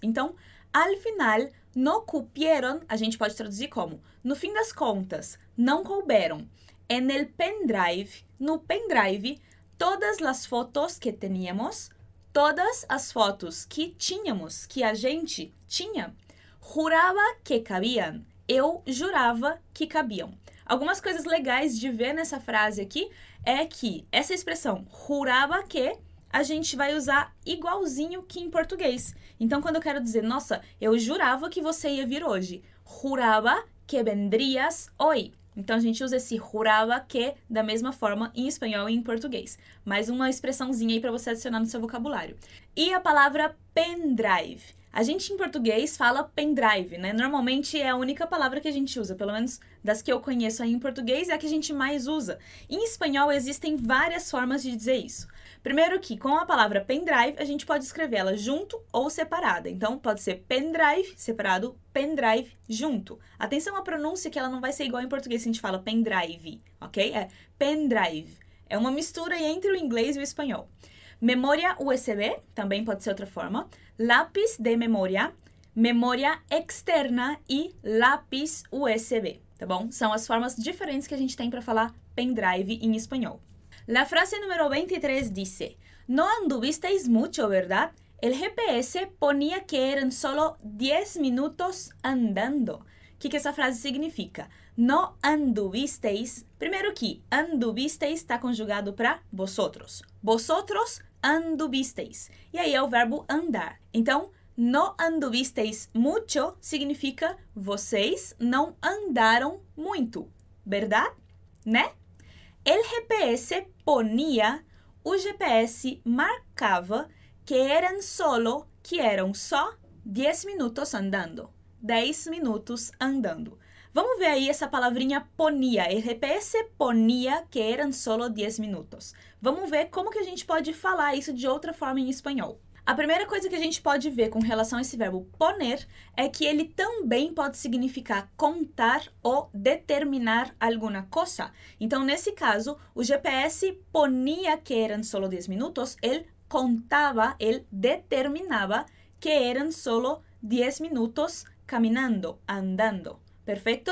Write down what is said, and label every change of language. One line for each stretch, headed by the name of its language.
Portuguese: Então,
Spanish: al final, no cupieron,
Portuguese: a gente pode traduzir como, no fim das contas, não couberam,
Spanish: en el pendrive,
Portuguese: no pendrive,
Spanish: todas las fotos que teníamos,
Portuguese: todas as fotos que tínhamos, que a gente tinha,
Spanish: juraba que cabían.
Portuguese: Eu jurava que cabiam. Algumas coisas legais de ver nessa frase aqui é que essa expressão
Spanish: juraba que
Portuguese: a gente vai usar igualzinho que em português. Então, quando eu quero dizer, nossa, eu jurava que você ia vir hoje.
Spanish: Juraba que vendrías hoy.
Portuguese: Então, a gente usa esse
Spanish: juraba que
Portuguese: da mesma forma em espanhol e em português. Mais uma expressãozinha aí para você adicionar no seu vocabulário. E a palavra pendrive. A gente, em português, fala pendrive, né? Normalmente, é a única palavra que a gente usa, pelo menos das que eu conheço aí em português, é a que a gente mais usa. Em espanhol, existem várias formas de dizer isso. Primeiro que, com a palavra pendrive, a gente pode escrever ela junto ou separada. Então, pode ser pendrive, separado, pendrive, junto. Atenção à pronúncia, que ela não vai ser igual em português se a gente fala pendrive, ok? É pendrive. É uma mistura entre o inglês e o espanhol. Memória USB, também pode ser outra forma. Lápis de memória, memória externa e lápis USB, tá bom? São as formas diferentes que a gente tem para falar pendrive em espanhol.
Spanish: La frase número 23 dice, no anduvisteis mucho, ¿verdad? El GPS ponía que eran solo 10 minutos andando.
Portuguese: O que essa frase significa?
Spanish: No anduvisteis,
Portuguese: primeiro que anduvisteis está conjugado para vosotros.
Spanish: Vosotros anduvisteis.
Portuguese: E aí é o verbo andar. Então,
Spanish: no anduvisteis mucho
Portuguese: significa vocês não andaram muito.
Spanish: ¿Verdad?
Portuguese: Né?
Spanish: El GPS ponía,
Portuguese: o GPS marcava
Spanish: que eran solo,
Portuguese: que eram só 10 minutos andando. 10 minutos andando. Vamos ver aí essa palavrinha ponia.
Spanish: El GPS ponía que eran solo 10 minutos.
Portuguese: Vamos ver como que a gente pode falar isso de outra forma em espanhol. A primeira coisa que a gente pode ver com relação a esse verbo poner é que ele também pode significar contar ou determinar alguma coisa. Então, nesse caso, o GPS
Spanish: ponía que eran solo 10 minutos,
Portuguese: ele contava, ele determinava
Spanish: que eran solo 10 minutos caminando,
Portuguese: andando. Perfeito?